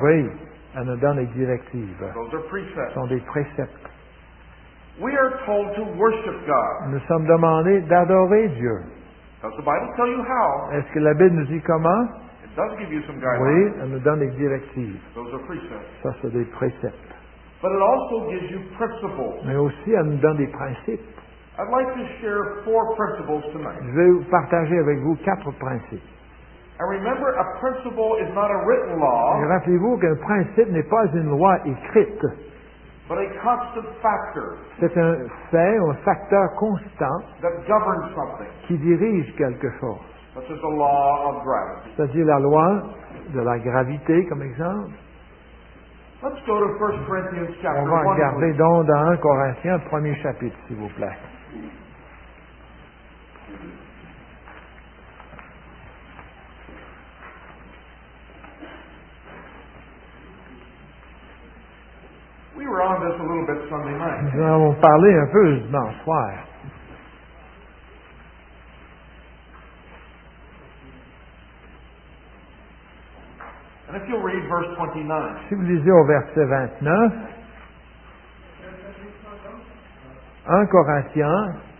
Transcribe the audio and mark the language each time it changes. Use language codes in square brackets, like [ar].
[fr] Oui, elle nous donne des directives. [en] Those are precepts. [fr] Ce sont des préceptes. [en] We are told to worship God. [fr] Nous sommes demandés d'adorer Dieu. [en] Does the Bible tell you how? [fr] Est-ce que la Bible nous dit comment? [en] It does give you some guidelines. [fr] Oui, elle nous donne des directives. [en] Those are precepts. [fr] Ça, c'est des préceptes. [en] But it also gives you principles. [fr] Mais aussi, elle nous donne des principes. [en] I'd like to share four principles tonight. [fr] Je vais partager avec vous quatre principes. [en] And remember, a principle is not a written law. [fr] Et rappelez-vous qu'un principe n'est pas une loi écrite. [en] But a constant factor. [fr] C'est un fait, un facteur constant [en] that governs something. [fr] Qui dirige quelque chose. [en] Such as the law of gravity. [fr] C'est-à-dire la loi de la gravité, comme exemple. [en] Let's go to 1 Corinthians chapter 1. [fr] On va regarder donc dans 1 Corinthiens, premier chapitre, s'il vous plaît. [en] We were on this a little bit Sunday night. [fr] Nous avons parlé un peu dimanche soir. [en] And if you'll read verse 29. [fr] Si vous lisez au verset 29, 1 Corinthiens,